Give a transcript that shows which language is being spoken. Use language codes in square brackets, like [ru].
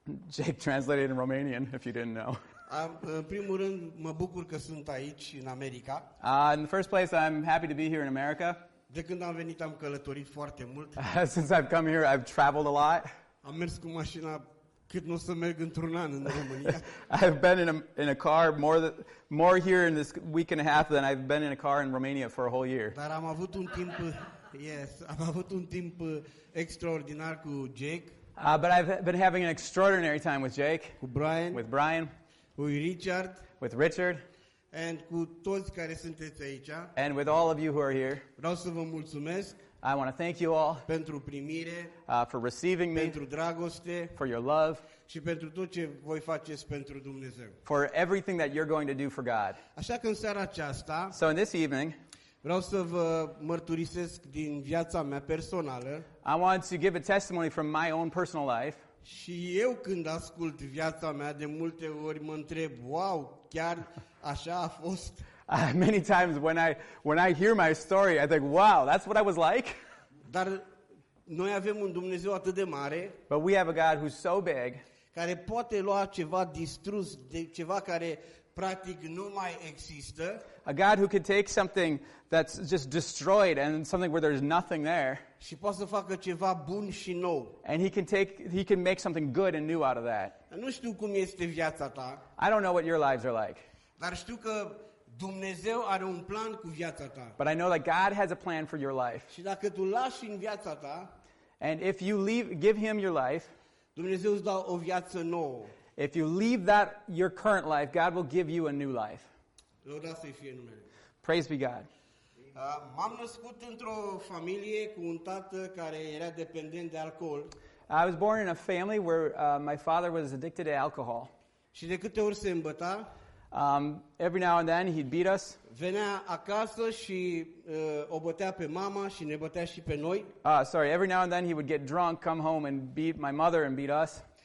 [en] Jake translated in Romanian, if you didn't know. [ro] În primul rând, mă bucur că sunt aici în America. [en] In the first place, I'm happy to be here in America. [ro] De când am venit, am călătorit foarte mult. [en] Since I've come here, I've traveled a lot. [ro] Am mers cu mașina cât n-o să merg într-un an în România. [en] I've been in a car more here in this week and a half than I've been in a car in Romania for a whole year. [ro] Dar am avut un timp, yes, am avut un timp extraordinar cu Jake. [en] But I've been having an extraordinary time with Jake. [ro] Cu Brian. [en] With Brian. [ro] Cu Richard. [en] With Richard. [ro] And cu toți care sunteți aici. [en] And with all of you who are here. [ro] Vreau să vă mulțumesc. [en] I want to thank you all [ro] pentru primire, [en] for receiving me, [ro] pentru dragoste, [en] for your love, [ro] și pentru tot ce voi faceți pentru Dumnezeu, [en] for everything that you're going to do for God. [ro] Așa că în seara aceasta, [en] so in this evening, [ro] vreau să vă mărturisesc din viața mea personală. [en] I want to give a testimony from my own personal life. [ro] Și eu când ascult viața mea, de multe ori mă întreb, wow, chiar așa a fost? [en] Many times when I hear my story, I think, wow, that's what I was like. [ro] Dar noi avem un Dumnezeu atât de mare. [en] But we have a God who's so big. [ro] Care poate lua ceva distrus, de ceva care practic nu mai există. [en] A God who could take something that's just destroyed and something where there's nothing there. [ro] Și poate să facă ceva bun și nou. [en] And he can make something good and new out of that. [ro] Nu știu cum este viața ta. [en] I don't know what your lives are like. [ro] Dar știu că Dumnezeu are un plan cu viața ta. [en] But I know that God has a plan for your life. [ro] Și dacă tu lași în viața ta, [en] and if you give him your life, [ro] Dumnezeu îți dă o viață nouă. [en] If you leave that your current life, God will give you a new life. [ro] Lăudat să-i fie numele. [en] Praise be God. [ro] M-am născut într-o familie cu un tată care era dependent de alcool. [en] I was born in a family where my father was addicted to alcohol. [ro] Și de câte ori se îmbăta, [en] Every now and then he'd beat us. [ro] Venea acasă și o bătea pe mama și ne bătea și pe noi. [en] Every now and then he would get drunk, come home and beat my mother and beat us.